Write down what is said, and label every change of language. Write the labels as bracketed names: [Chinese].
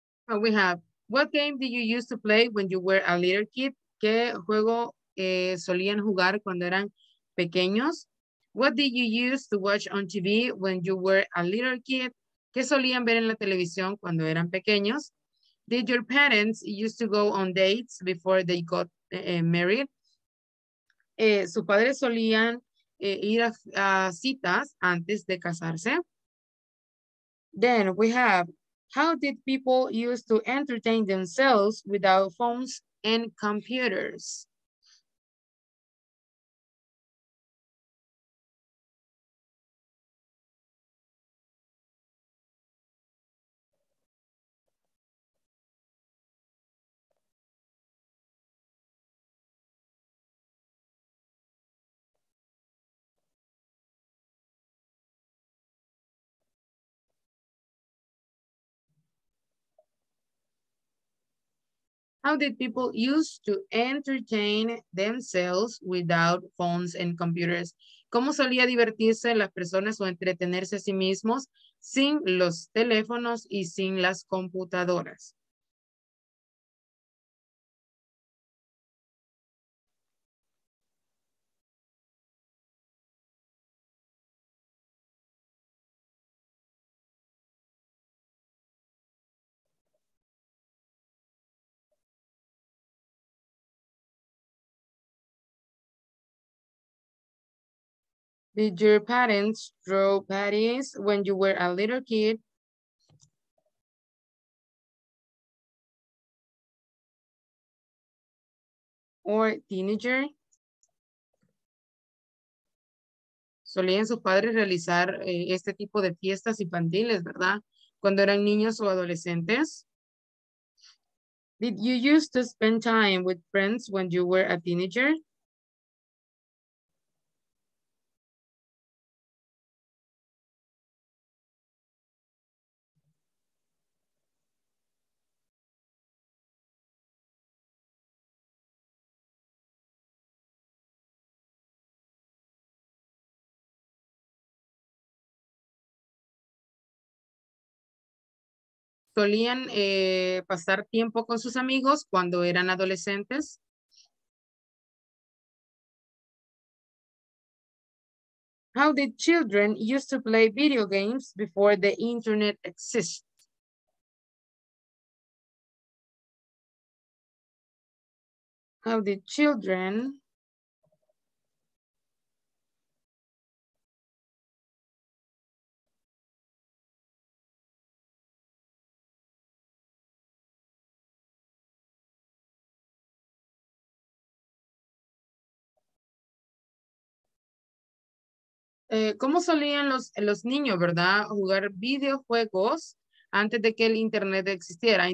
[English] Oh, we have, what game did you use to play when you were a little kid? [Spanish] ¿Qué juego solían jugar cuando eran pequeños? [English] What did you use to watch on TV when you were a little kid? [Spanish] ¿Qué solían ver en la televisión cuando eran pequeños? [English] Did your parents used to go on dates before they got married? [Spanish] ¿Sus padres solían ir a citas antes de casarse? [English] Then we have, how did people used to entertain themselves without phones and computers? How did people use to entertain themselves without phones and computers? [Spanish] ¿Cómo solía divertirse las personas o entretenerse a sí mismos sin los teléfonos y sin las computadoras? [English] Did your parents throw parties when you were a little kid? Or teenager? [Spanish] ¿Solían sus padres realizar este tipo de fiestas infantiles, verdad? Cuando eran niños o adolescentes? [English] Did you used to spend time with friends when you were a teenager? [Spanish] ¿Solían pasar tiempo con sus amigos cuando eran adolescentes? [English] How did children used to play video games before the internet existed? How did children [Spanish] ¿cómo solían los niños, verdad, jugar videojuegos antes de que el internet existiera?